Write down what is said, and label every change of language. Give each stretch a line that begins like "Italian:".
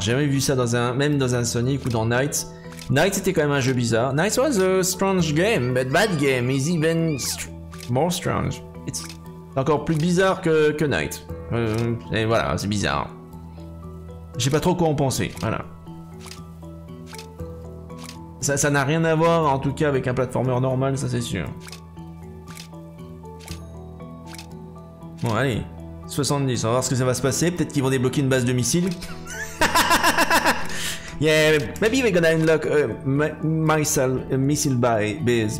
French: J'ai jamais vu ça dans un, même dans un Sonic ou dans Knights. Knights était quand même un jeu bizarre.
English: Knights was a strange game, but that game is even more strange. It's
French: encore plus bizarre que Knights. Et voilà, c'est bizarre. J'ai pas trop quoi en penser, voilà. Ça n'a rien à voir, en tout cas, avec un platformer normal, ça c'est sûr. Bon, allez. 70, on va voir ce que ça va se passer. Peut-être qu'ils vont débloquer une base de missiles.
English: Yeah, maybe we're gonna unlock myself a missile base.